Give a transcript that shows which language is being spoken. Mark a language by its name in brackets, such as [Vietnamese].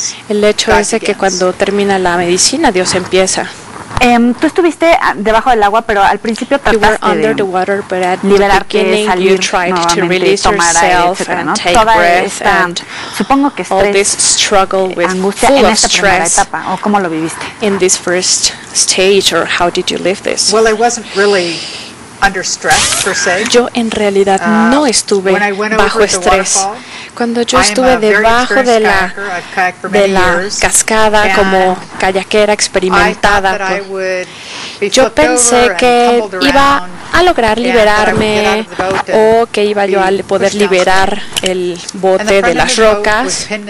[Spanish] El hecho es de que cuando termina la medicina, Dios empieza. Tú estuviste debajo del agua, pero al principio trataste de liberarte, salir nuevamente, tomar aire, etcétera, ¿no? Toda esta, supongo que estrés, angustia en esta primera etapa, ¿o cómo lo viviste? [English] In this first stage, or how did you live this? Well, I wasn't really under stress per se. [Spanish] Yo en realidad no estuve bajo estrés. Cuando yo estuve debajo de la cascada como kayakera experimentada, yo pensé que iba a lograr liberarme o que iba yo a poder liberar el bote de las rocas.